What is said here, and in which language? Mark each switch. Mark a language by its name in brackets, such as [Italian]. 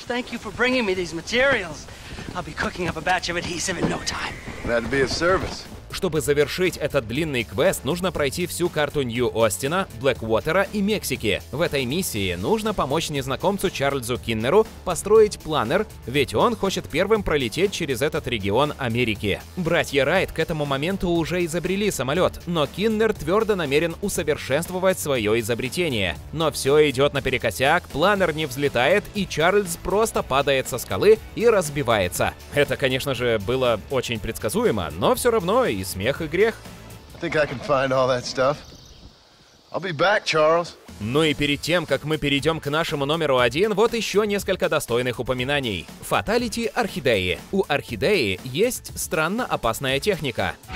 [English] Thank you for bringing me these materials. I'll be cooking up a batch of adhesive in no time. That'd be a service. [Russian] Чтобы завершить этот длинный квест, нужно пройти всю карту Нью-Остина, Блэквотера и Мексики. В этой миссии нужно помочь незнакомцу Чарльзу Киннеру построить планер, ведь он хочет первым пролететь через этот регион Америки. Братья Райт к этому моменту уже изобрели самолет, но Киннер твердо намерен усовершенствовать свое изобретение. Но все идет наперекосяк, планер не взлетает, и Чарльз просто падает со скалы и разбивается. Это, конечно же, было очень предсказуемо, но все равно и смех, и грех. [English] I think I can find all that stuff. I'll be back, Charles. [Russian] Ну и перед тем, как мы перейдем к нашему номеру один, вот еще несколько достойных упоминаний. Фаталити Орхидеи. У Орхидеи есть странно опасная техника.